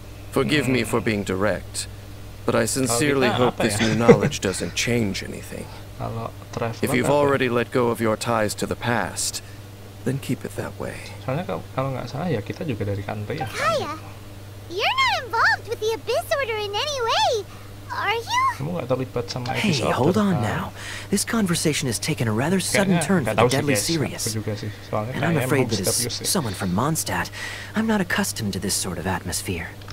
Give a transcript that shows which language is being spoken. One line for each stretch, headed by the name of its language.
English: Forgive me for being direct, but I sincerely hope this new knowledge doesn't change anything. If you've already let go of your ties to the past, then keep it that way.
Indonesian: Soalnya kalau nggak salah ya kita juga dari kantor ya.
English: Kaya, you're not involved with the Abyss Order in any way, are you?
Indonesian: Kamu nggak terlibat sama Abyss
English: Order. Hey, hold on now. This conversation has taken a rather sudden turn for the deadly serious. And I'm afraid that as someone from Mondstadt, I'm not accustomed to this sort of atmosphere.